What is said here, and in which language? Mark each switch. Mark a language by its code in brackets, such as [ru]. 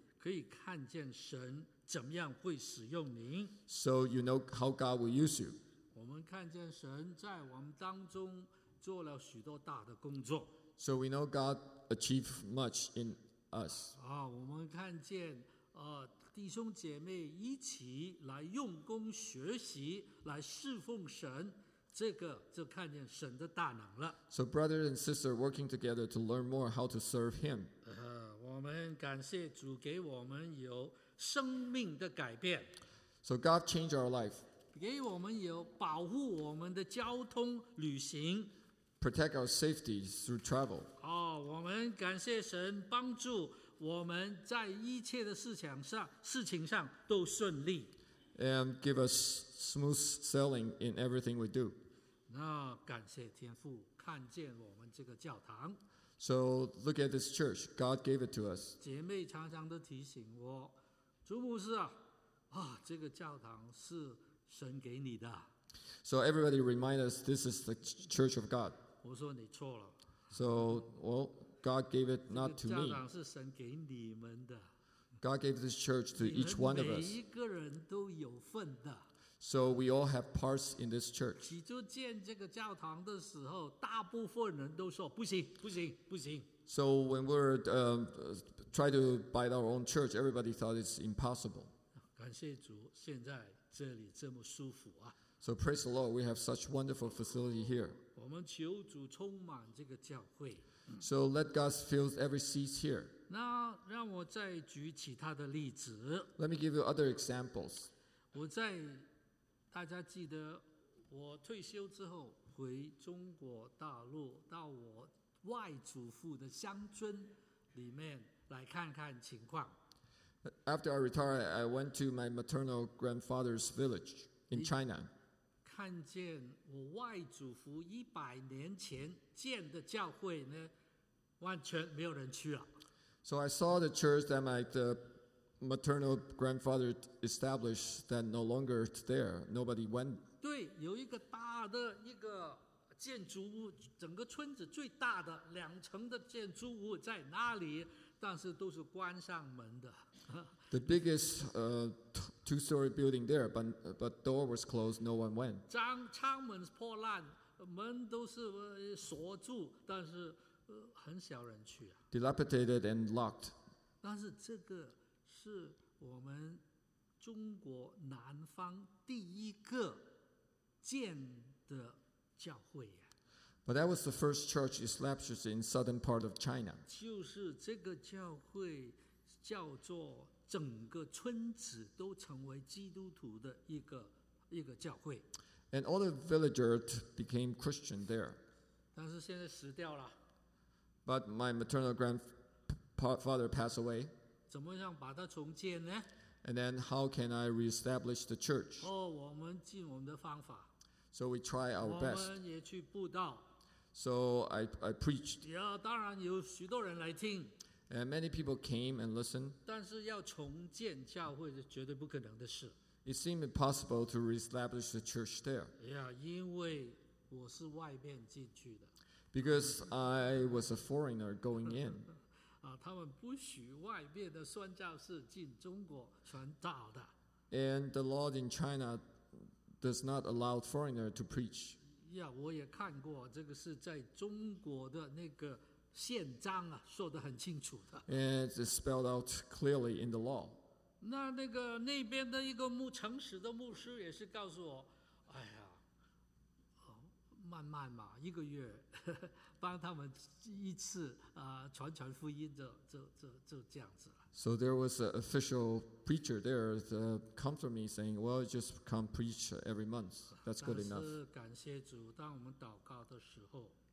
[zh] 可以看见神怎么样会使用您。 [en] So you know how God will use you. [zh] 我们看见神在我们当中做了许多大的工作。 [en] So we know God achieved much in us. [zh] 我们看见弟兄姐妹一起来用功学习，来侍奉神。这个就看见神的大能了。 [en] So brother and sister working together to learn more how to serve Him. [zh] 我们感谢主给我们有生命的改变。 [en] So God changed our life. [zh] 给我们有保护我们的交通旅行。 [en] Protect our safety through travel. [zh] 我们感谢神帮助我们在一切的事情上都顺利。 [en] And give us smooth sailing in everything we do. [zh] 那感谢天父看见我们这个教堂。 [en] So look at this church. God gave it to us. [zh] 姐妹常常都提醒我，主牧师这个教堂是神给你的。 [en] So everybody remind us this is the church of God. [zh] 我说你错了。 [en] So well, God gave it not to me. [zh] 这个教堂是神给你们的。 [en] God gave this church to each one of us. [zh] 每一个人都有份的。 [en] So we all have parts in this church. [zh] 起初建这个教堂的时候，大部分人都说不行，不行，不行。 [en] So when we're try to buy our own church, everybody thought it's impossible. [zh] 感谢主，现在这里这么舒服啊。 [en] So praise the Lord, we have such wonderful facility here. [zh] 我们求主充满这个教会。 [en] So let God fill every seat here. [zh] 那让我再举其他的例子。 [en] Let me give you other examples. [zh] 我在大家记得我退休之后回中国大陆，到我外祖父的乡村里面来看看情况。 [en] After I retired, I went to my maternal grandfather's village in China. [zh] 看见我外祖父一百年前建的教会呢，完全没有人去了。 [en] So I saw the church that my maternal grandfather established that no longer there. Nobody went. [zh] 对，有一个大的一个建筑物，整个村子最大的两层的建筑物在那里，但是都是关上门的。 [en] The biggest two-story building there, but door was closed. No one went. [zh] 舱门破烂，门都是锁住，但是很少人去。 [en] Dilapidated and locked. [zh] 但是这个是我们中国南方第一个建的教会呀。 [en] But that was the first church established in southern part of China. [zh] 就是这个教会叫做整个村子都成为基督徒的一个教会。 [en] And all the villagers became Christian there. [zh] 但是现在死掉了。 [en] But my maternal grandfather passed away. [zh] 怎么样把它重建呢？ [en] And then how can I reestablish the church? [zh] 我们尽我们的方法。 [en] So we try our best. [zh] 我们也去布道。 [en] So I preached. [zh] 当然有许多人来听。 [en] And many people came and listened. [zh] 但是要重建教会是绝对不可能的事。 [en] It seemed impossible to reestablish the church there. [zh] 因为我是外面进去的。 [en] Because I was a foreigner going in. [zh] 他们不许外面的宣教士进中国传道的。 [en] And the law in China does not allow foreigner to preach. [zh] 我也看过，这个是在中国的那个宪章说得很清楚的。 [en] And it's spelled out clearly in the law. [zh] 那个那边的一个城市的牧师也是告诉我，慢慢嘛，一个月帮他们一次啊，传传福音，就这样子了。 [en] So there was an official preacher there to come for me saying, "Well, just come preach every month. That's good enough." [zh] 但是感谢主，当我们祷告的时候。